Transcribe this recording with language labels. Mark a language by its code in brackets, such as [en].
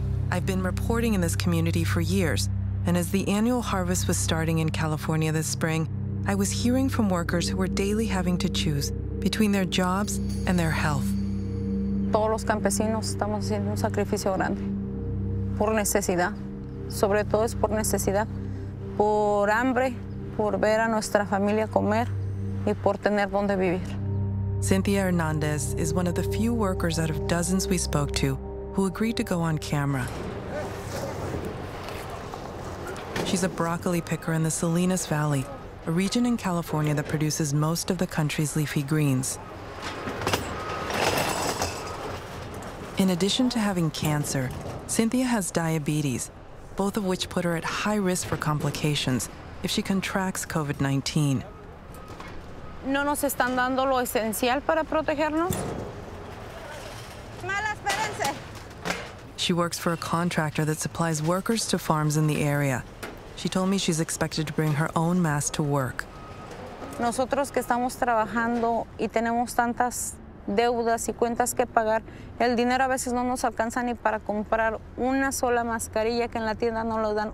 [en] I've been reporting in this community for years, and as the annual harvest was starting in California this spring, I was hearing from workers who were daily having to choose between their jobs and their health. [es] Todos los campesinos estamos haciendo un sacrificio grande por necesidad. Sobre todo es por necesidad, por hambre, por ver a nuestra familia comer y por tener donde vivir. [en] Cynthia Hernandez is one of the few workers out of dozens we spoke to who agreed to go on camera. She's a broccoli picker in the Salinas Valley, a region in California that produces most of the country's leafy greens. In addition to having cancer, Cynthia has diabetes, both of which put her at high risk for complications if she contracts COVID-19. [es] No nos están dando lo esencial para protegernos. Mala esperanza. [en] She works for a contractor that supplies workers to farms in the area. She told me she's expected to bring her own mask to work. [es] Nosotros que estamos trabajando y tenemos tantas deudas y cuentas que pagar, el dinero a veces no nos alcanza ni para comprar una sola mascarilla, que en la tienda no lo dan.